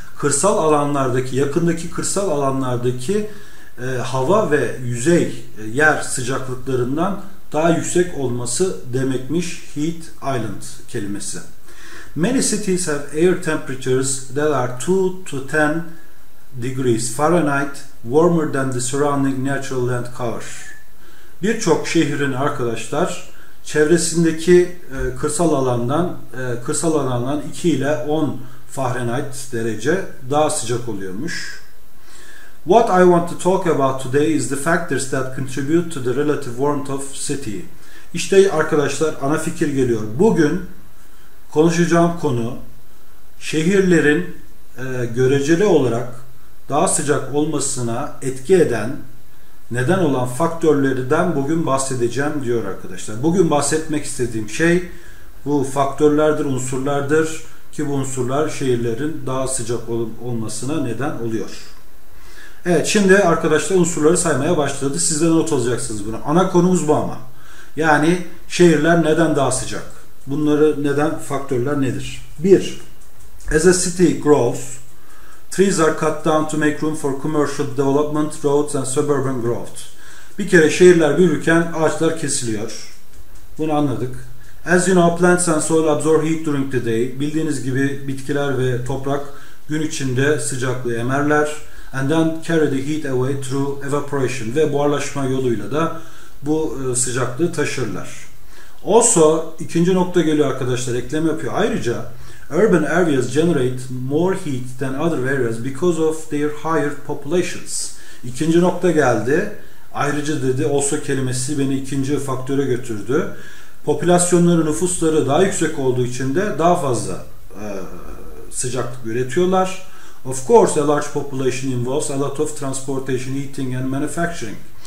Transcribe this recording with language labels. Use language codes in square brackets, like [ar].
[tr] Kırsal alanlardaki, yakındaki kırsal alanlardaki hava ve yüzey, yer sıcaklıklarından daha yüksek olması demekmiş heat island kelimesi. [en] Many cities have air temperatures that are 2 to 10 degrees Fahrenheit warmer than the surrounding natural land cover. [tr] Birçok şehrin arkadaşlar çevresindeki kırsal alandan 2 ile 10 Fahrenheit derece daha sıcak oluyormuş. [en] What I want to talk about today is the factors that contribute to the relative warmth of city. [tr] İşte arkadaşlar ana fikir geliyor. Bugün konuşacağım konu şehirlerin göreceli olarak daha sıcak olmasına etki eden, neden olan faktörlerden bugün bahsedeceğim diyor arkadaşlar. Bugün bahsetmek istediğim şey bu faktörlerdir, unsurlardır ki bu unsurlar şehirlerin daha sıcak olmasına neden oluyor. Evet, şimdi arkadaşlar unsurları saymaya başladı. Siz de not alacaksınız bunu. Ana konumuz bu ama. Yani şehirler neden daha sıcak? Bunları neden, faktörler nedir? 1. [en] As a city grows, trees are cut down to make room for commercial development, roads and suburban growth. [tr] Bir kere şehirler büyürken ağaçlar kesiliyor. Bunu anladık. [en] As you know, plants and soil absorb heat during the day. [tr] Bildiğiniz gibi bitkiler ve toprak gün içinde sıcaklığı emerler. [en] And then carry the heat away through evaporation [tr] ve buharlaşma yoluyla da bu sıcaklığı taşırlar. Also, ikinci nokta geliyor arkadaşlar, ekleme yapıyor. Ayrıca, [en] urban areas generate more heat than other areas because of their higher populations. [tr] İkinci nokta geldi. Ayrıca dedi, also kelimesi beni ikinci faktöre götürdü. Popülasyonları, nüfusları daha yüksek olduğu için de daha fazla sıcaklık üretiyorlar. [en] Of course, a large population involves a lot of transportation, heating and manufacturing.